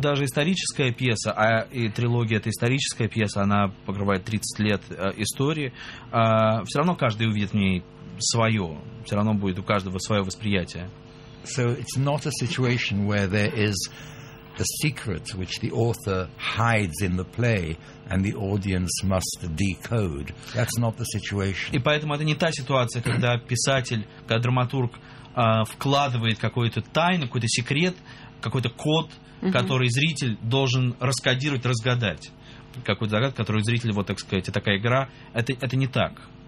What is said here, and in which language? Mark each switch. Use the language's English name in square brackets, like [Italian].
[Russian] Даже историческая пьеса, а и трилогия это историческая пьеса, она покрывает 30 лет истории. Все равно каждый увидит в ней свое. Все равно будет у каждого свое восприятие. [English] So it's not a situation where there is the secret which the author hides in the play and the audience must decode. That's not the situation. [Russian] И поэтому это не та ситуация, когда писатель, когда драматург вкладывает какую-то тайну, какой-то секрет, какой-то код, который зритель должен раскодировать, разгадать. Какой-то загадку, которую зритель, вот так сказать, такая игра. Это не так.